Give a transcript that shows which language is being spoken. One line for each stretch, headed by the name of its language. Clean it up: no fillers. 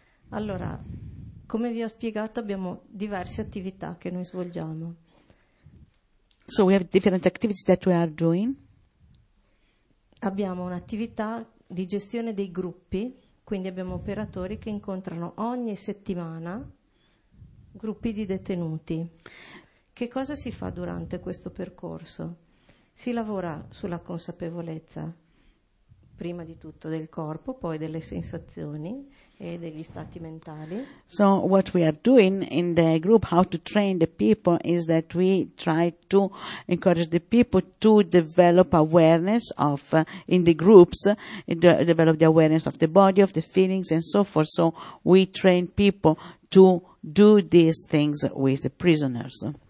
Italian: Allora, come vi ho spiegato, abbiamo diverse attività che noi svolgiamo.
English: So we have different activities that we are doing.
Italian: Abbiamo un'attività di gestione dei gruppi, quindi abbiamo operatori che incontrano ogni settimana gruppi di detenuti. Che cosa si fa durante questo percorso? Si lavora sulla consapevolezza, prima di tutto del corpo, poi delle sensazioni e degli stati mentali.
English: So what we are doing in the group, how to train the people, is that we try to encourage the people to develop awareness of in the groups, develop the awareness of the body, of the feelings, and so forth. So we train people to do these things with the prisoners.